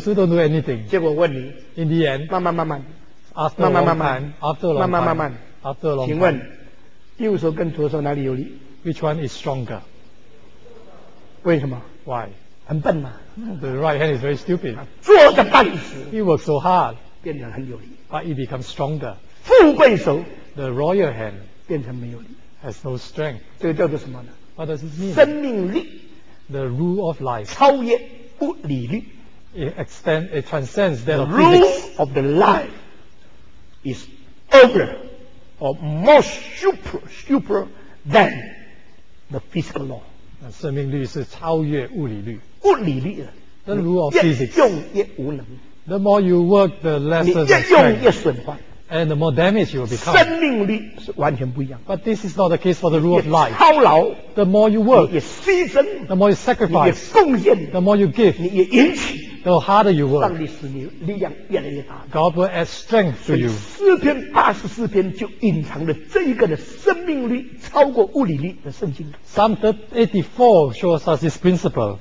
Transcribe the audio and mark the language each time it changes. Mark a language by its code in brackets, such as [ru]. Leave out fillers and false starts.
[en] Those who don't do anything. [zh] 结果问你, [en] in the end, [zh] 慢慢慢慢, [en] after, [zh] 慢慢慢慢, [en] after a long time, [zh] 慢慢慢慢, [en] after a long time. [zh] 请问, 右手跟左手哪里有力? [en] Which one is stronger? [zh] 为什么? [en] Why? [zh] 很笨嘛? [en] The right hand is very stupid. [zh] 做着半死, [en] it works so hard. [zh] 变成很有力, [en] but it becomes stronger. [zh] 富贵手, [en] the royal hand [zh] 变成没有力, [en] has no strength. [zh] 这个叫做什么呢? [en] What does it mean? [zh] 生命力, [en] the rule of life. [zh] 超越物理力, [en] it transcends that the of rule physics. Of the life is over or more super than the physical law. [zh] 生命力是超越物理律, 物理律, [en] the rule of physics. [zh] 越用越无能, [en] the more you work, the lesser the strength, and the more damage you will become. [zh] 生命力是完全不一样, [en] but this is not the case for the rule of life. [zh] 操劳, [en] the more you work, [zh] 你也牺牲, [en] the more you sacrifice, [zh] 你也贡献, [en] the more you give, [zh] 你也引起, [en] the harder you work. [zh] 让你使你力量越来越大, [en] God will add strength to you. [zh] 诗篇84篇就隐藏了这一个的生命力超过物理力的圣经。 [en] Psalm 84 shows us this principle.